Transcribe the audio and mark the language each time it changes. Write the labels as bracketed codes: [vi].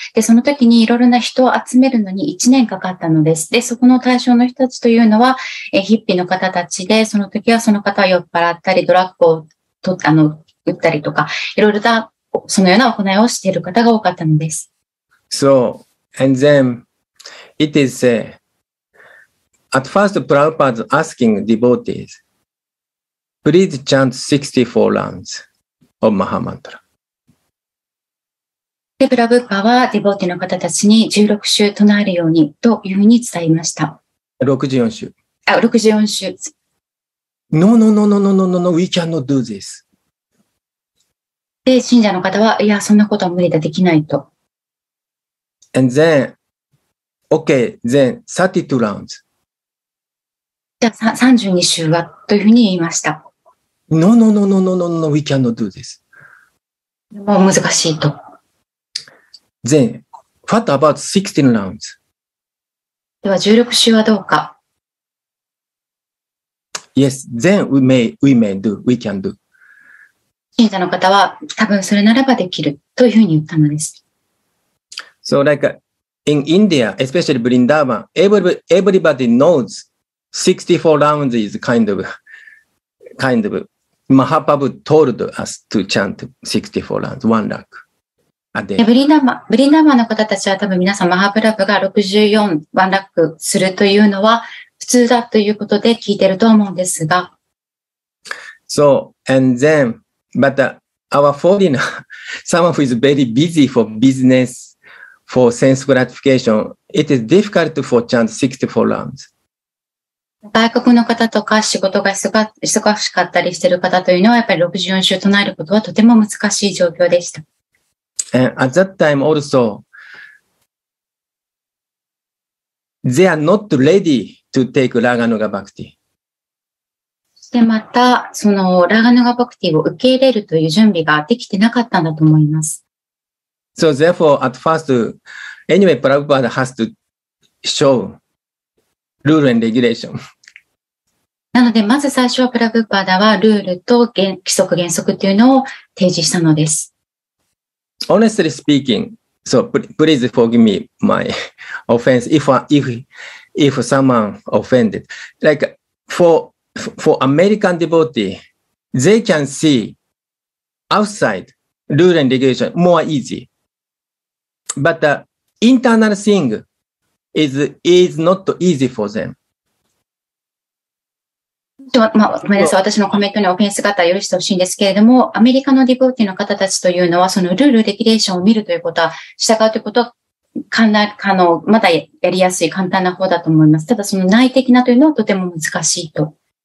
[ja] で、その時にいろいろな人を集めるのに1年かかったのです。で、そこの対象の人たちというのはヒッピーの方たちで、その時はその方は酔っ払ったり、ドラッグを取ったの、打ったりとか、いろいろなそのような行いをしている方が多かったのです。 [en] So, and then, it is said, at first, Prabhupada asking devotees, please chant 64 rounds of Mahamantra. [ja] で、プラブパは、デボーティの方たちに16週唱えるようにというふうに伝えました。 64週。 [en] No, we cannot do this. [ja] で、信者の方は、いや、そんなことは無理だ、できないと。 [en] And then, okay, then 32 rounds. [ja] じゃあ、32週は、というふうに言いました。 [en] No, we cannot do this. [ja] もう難しいと。 [en] Then, what about 16 rounds? [ja] では、16週はどうか。 [en] Yes, then we may do, we can do. [ja] 信者の方は多分それならばできるというふうに言ったのです。 [en] So like in India, especially Vrindavan, everybody knows 64 rounds is kind of Mahaprabhu told us to chant 64 rounds, one lakh. [ja] ブリンダーマンの方たちは多分皆さんマハプラブが64ワンラックするというのは普通だということで聞いてると思うんですが。 [en] So, and then, but our foreigner, someone who is very busy for business, for sense gratification, it is difficult for chant 64 rounds. [ja] 外国の方とか仕事が忙しかったりしている方というのはやっぱり64周唱えることはとても難しい状況でした。 [en] And at that time also, they are not ready to take Raganuga Bhakti. [ja] そしてまた、その Raganuga Bhakti を受け入れるという準備ができてなかったんだと思います。 [en] So therefore, at first, anyway, Prabhupada has to show rule and regulation. [ja] なので、まず最初は Prabhupada はルールと規則原則というのを提示したのです。 [en] Honestly speaking, so please forgive me my offense if someone offended. Like for American devotee, they can see outside rule and regulation more easy. But the internal thing is not easy for them. [ja] まあ、ごめんなさい。私のコメントにオフェンス型は許してほしいんですけれども、アメリカのディボーティの方たちというのは、そのルール、レギュレーションを見るということは、従うということは、まだやりやすい、簡単な方だと思います。ただ、その内的なというのはとても難しいと。